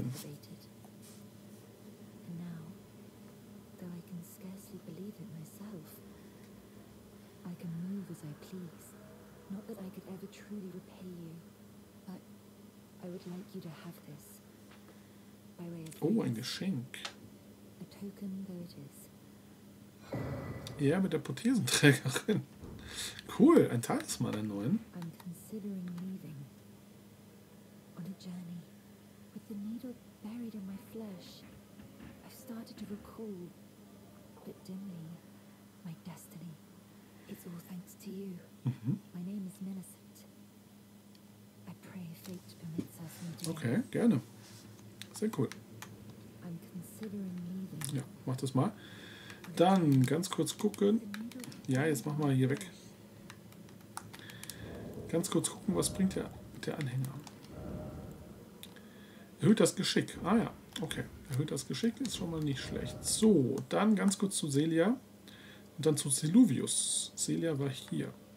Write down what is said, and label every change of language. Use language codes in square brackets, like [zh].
[en] And now, though I can scarcely believe it myself, I can move as I please. Not that I could ever truly repay you, but I would like you to have this. By way of oh, [de] ein Geschenk. [en] A token though it is. [de] Ja, mit der Prothesenträgerin. Cool, ein Talisman der neuen. [en] I'm considering leaving on a journey. With the needle buried in my flesh, I've started to recall, but dimly, my destiny. It's all thanks to you. My name is Millicent. I pray fate permits us in [de] doing. Okay, gerne. Sehr cool. [en] I'm considering leaving. [de] Ja, mach das mal. Dann ganz kurz gucken. Ja, jetzt mach mal hier weg. Ganz kurz gucken, was bringt der Anhänger. Erhöht das Geschick. Ah ja, okay. Erhöht das Geschick ist schon mal nicht schlecht. So, dann ganz kurz zu Celia. Und dann zu Siluvius. Celia war hier.